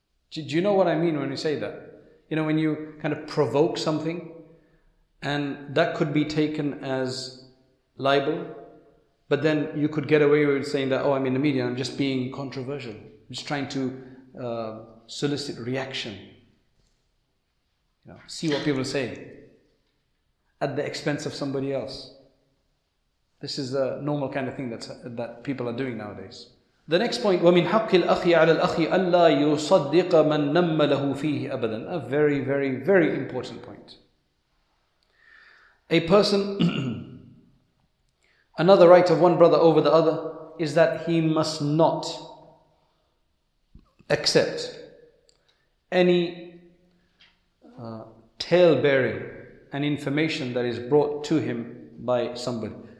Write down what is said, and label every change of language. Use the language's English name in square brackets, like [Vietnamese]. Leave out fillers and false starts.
[English] Do you know what I mean when we say that? You know, when you kind of provoke something, and that could be taken as libel, but then you could get away with saying that, oh, I'm in the media, I'm just being controversial. I'm just trying to solicit reaction. You know, see what people say at the expense of somebody else. This is a normal kind of thing that people are doing nowadays. The next point, [Arabic] وَمِنْ حَقِّ الْأَخِي عَلَى الْأَخِي أَلَّا يُصَدِّقَ مَنْ نَمَّ لَهُ فِيهِ أَبَدًا. [English] A very, very, very important point. A person, another right of one brother over the other, is that he must not accept any tale-bearing and information that is brought to him by somebody.